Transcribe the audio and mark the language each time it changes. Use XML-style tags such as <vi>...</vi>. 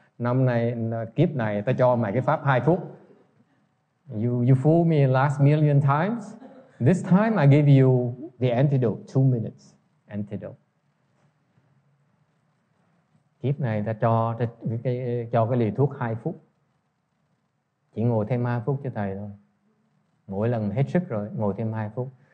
<vi>Năm nay, kiếp này, ta cho mày cái pháp 2 phút.</vi> <en>You fooled me last million times. This time I gave you the antidote, 2 minutes antidote.</en> <vi>Kiếp này ta cho cái liều thuốc 2 phút. Chỉ ngồi thêm 2 phút cho thầy thôi. Mỗi lần hết sức rồi, ngồi thêm 2 phút.</vi>